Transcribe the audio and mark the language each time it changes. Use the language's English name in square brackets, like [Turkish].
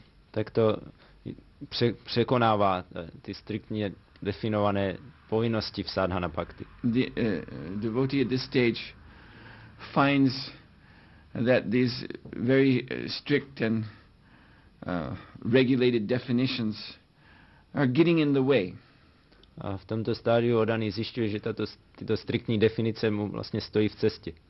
[Czech] Tak to překonává ty striktně definované povinnosti v sadhana bhakti. [English] The devotee at this stage finds that these very strict and regulated definitions are getting in the way. [Czech] A v tomto stádiu oddaný zjišťuje, že tyto striktní definice mu vlastně stojí v cestě.